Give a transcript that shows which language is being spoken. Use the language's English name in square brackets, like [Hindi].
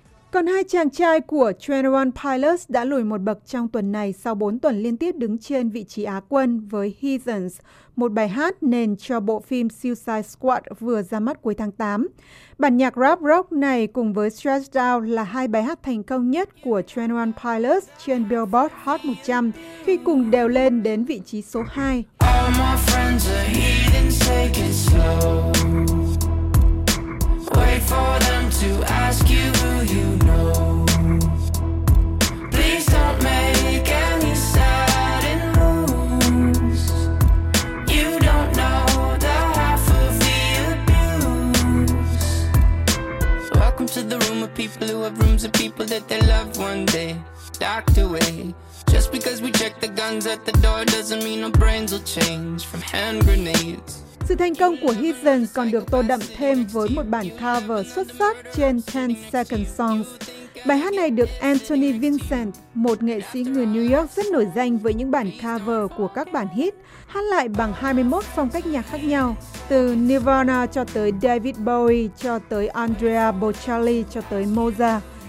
[Vietnamese] Còn hai chàng trai của 21 Pilots đã lùi một bậc trong tuần này sau 4 tuần liên tiếp đứng trên vị trí Á quân với Heathens, một bài hát nền cho bộ phim Suicide Squad vừa ra mắt cuối tháng 8. Bản nhạc rap rock này cùng với Stressed Out là hai bài hát thành công nhất của 21 Pilots trên Billboard Hot 100, khi cùng đều lên đến vị trí số 2. [English] My friends are heathens, take it slow. Wait for them to ask you who you know. Please don't make any sudden moves. You don't know the half of the abuse. Welcome to the room of people who have rooms of people that they love one day. Docked away. Just because we check the guns at the door doesn't mean our brains will change from hand grenades. [Vietnamese] Sự thành công của Heathens còn được tô đậm thêm với một bản cover xuất sắc trên 10 Second Songs. Bài hát này được Anthony Vincent, một nghệ sĩ người New York rất nổi danh với những bản cover của các bản hit, hát lại bằng 21 phong cách nhạc khác nhau, từ Nirvana cho tới David Bowie, cho tới Andrea Bocelli, cho tới Mozart.